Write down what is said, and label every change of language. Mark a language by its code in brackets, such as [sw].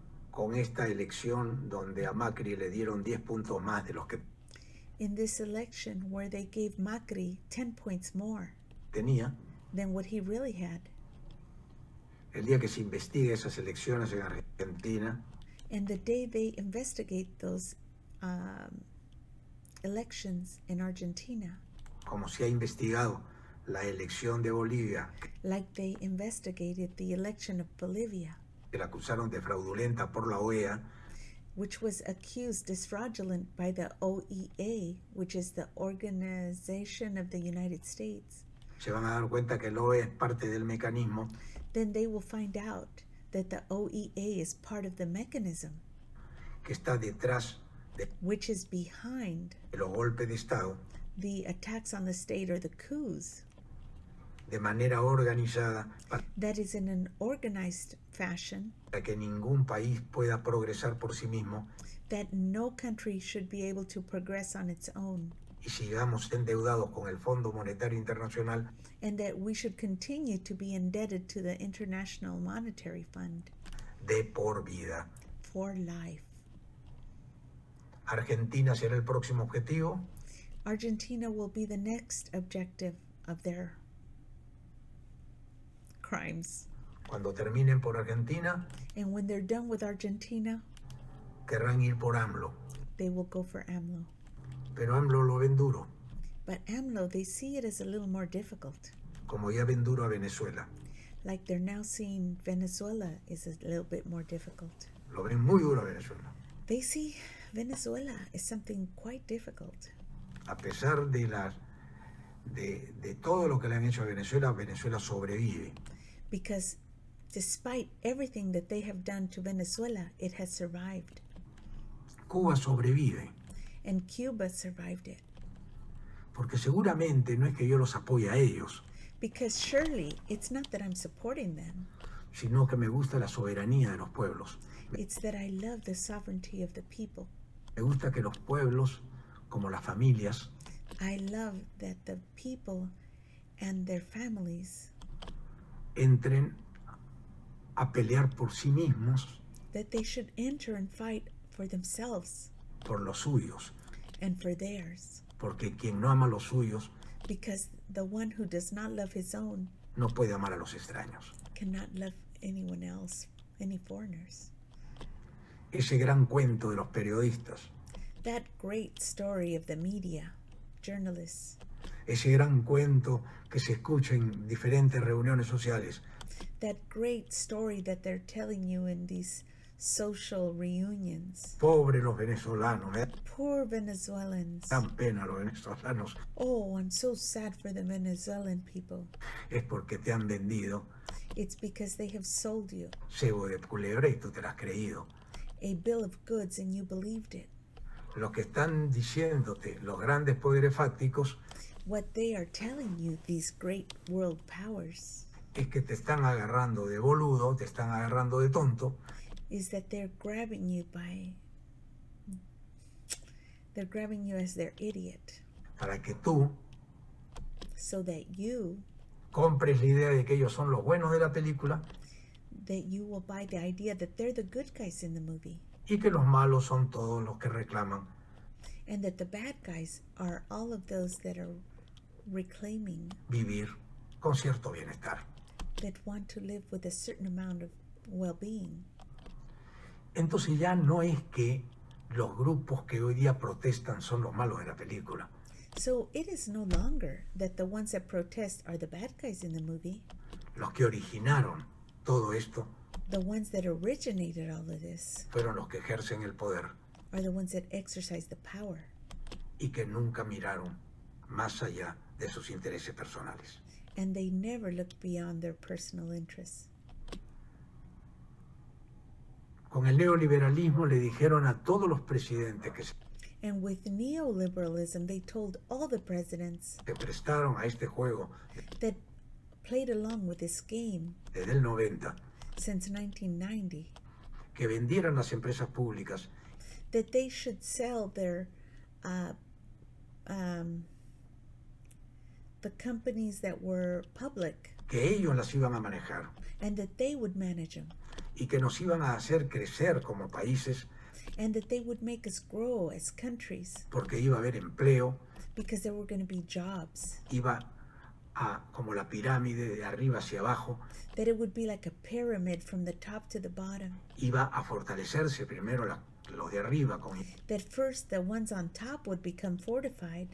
[es] Con esta elección donde a Macri le dieron 10 puntos más de los que [en] In this election, where they gave Macri 10 points more [es] tenía, [en] than what he really had. [es] El día que se investiga esas elecciones en Argentina, [en] and the day they investigate those elections in Argentina, [es] como se ha investigado la elección de Bolivia, [en] like they investigated the election of Bolivia, [es] que la acusaron de fraudulenta por la OEA, [en] which was accused as fraudulent by the OEA, which is the Organization of the United States. [es] Se van a dar cuenta que la OEA es parte del mecanismo. [en] Then they will find out that the OEA is part of the mechanism. [es] Que está detrás de, [en] which is behind [es] de los golpes de Estado, [en] the attacks on the state or the coups. [es] De manera organizada. [en] That is in an organized fashion. [es] Para que ningún país pueda progresar por sí mismo. [en] That no country should be able to progress on its own. [es] Y sigamos endeudados con el Fondo Monetario Internacional. [en] And that we should continue to be indebted to the International Monetary Fund. [es] De por vida. [en] For life. [es] Argentina será el próximo objetivo. [en] Argentina will be the next objective of their crimes. [es] Cuando terminen por Argentina, [en] and when they're done with Argentina, [es] querrán ir por AMLO. [en] They will go for AMLO. [es] Pero AMLO lo ven duro. [en] But AMLO, they see it as a little more difficult. [es] Como ya ven duro a Venezuela. [en] Like they're now seeing Venezuela is a little bit more difficult. [es] Lo ven muy duro a Venezuela. [en] They see Venezuela is something quite difficult. [es] A pesar de las de todo lo que le han hecho a Venezuela, Venezuela sobrevive. [en] Because despite everything that they have done to Venezuela, it has survived. [es] Cuba sobrevive. [en] And Cuba survived it. [es] Porque seguramente no es que yo los apoye a ellos. [en] Because surely it's not that I'm supporting them. [es] Sino que me gusta la soberanía de los pueblos. [en] It's that I love the sovereignty of the people. [es] Me gusta que los pueblos, como las familias, [en] I love that the people and their families [es] entren a pelear por sí mismos, [en] that they should enter and fight for themselves, [es] por los suyos, [en] and for theirs, [es] porque quien no ama a los suyos, [en] because the one who does not love his own, [es] no puede amar a los extraños, [en] cannot love anyone else, any foreigners. [es] Ese gran cuento de los periodistas, [en] that great story of the media, journalists. [es] Ese gran cuento que se escucha en diferentes reuniones sociales. [en] That great story that they're telling you in these social reunions. [es] Pobre los venezolanos. [en] Poor Venezuelans. [es] Dan pena los venezolanos. [en] Oh, I'm so sad for the Venezuelan people. [es] Es porque te han vendido. [en] It's because they have sold you. [es] Cebo de culebra y tú te lo has creído. [en] A bill of goods and you believed it. [es] Lo que están diciéndote los grandes poderes fácticos, [en] what they are telling you, these great world powers, [es] es que te están agarrando de boludo, te están agarrando de tonto, [en] is that they're grabbing you as their idiot, [es] para que tú, [en] so that you, [es] compres la idea de que ellos son los buenos de la película, [en] that you will buy the idea that they're the good guys in the movie. [es] Y que los malos son todos los que reclaman. [en] And that the bad guys are all of those that are reclaiming. [es] Vivir con cierto bienestar. [en] That want to live with a certain amount of well-being. [es] Entonces ya no es que los grupos que hoy día protestan son los malos de la película. [en] So it is no longer that the ones that protest are the bad guys in the movie. [es] Los que originaron todo esto, [en] the ones that originated all of this, [es] fueron los que ejercen el poder, [en] are the ones that exercise the power, [es] y que nunca miraron más allá de sus intereses personales, [en] and they never look beyond their personal interests. [es] Con el neoliberalismo le dijeron a todos los presidentes que se, [en] and with neoliberalism they told all the presidents, [es] que prestaron a este juego, [en] that played along with this game, [es] desde el 90, [en] since 1990, [es] que vendieran las empresas públicas, [en] that they should sell their the companies that were public, [es] que ellos las iban a manejar, [en] and that they would manage them, [es] y que nos iban a hacer crecer como países, [en] And that they would make us grow as countries. [es] Porque iba a haber empleo. [en] Because there were going to be jobs. [es] Iba a, como la pirámide, de arriba hacia abajo. [en] That it would be like a pyramid from the top to the bottom. [es] Iba a fortalecerse primero la, los de arriba con. [en] That first the ones on top would become fortified.